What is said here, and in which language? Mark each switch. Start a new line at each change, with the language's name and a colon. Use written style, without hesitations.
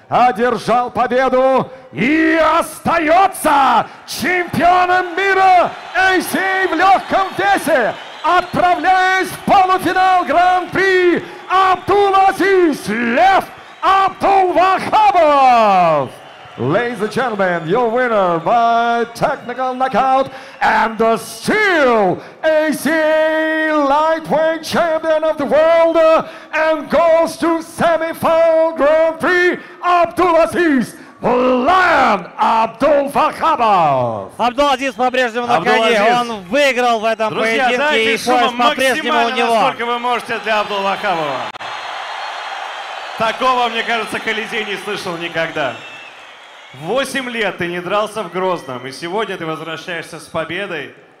Russian: одержал победу и остается чемпионом мира ACA в легком весе, отправляясь в полуфинал Гран-при, Абдул-Азиз Лев Абдул-Вахабов.
English: Ladies and gentlemen, your winner by technical knockout and the still ACA lightweight champion of the world and goes to semi-final Grand Prix Abdulaziz Vlan Abdul-Fakhabov.
Russian: Абдул-Азиз по-прежнему на коне. Он выиграл в этом поединке. Друзья, дайте шумом максимально, насколько вы можете для Абдул-Вахабова. Такого, мне кажется, Колизей не слышал никогда. 8 лет ты не дрался в Грозном, и сегодня ты возвращаешься с победой.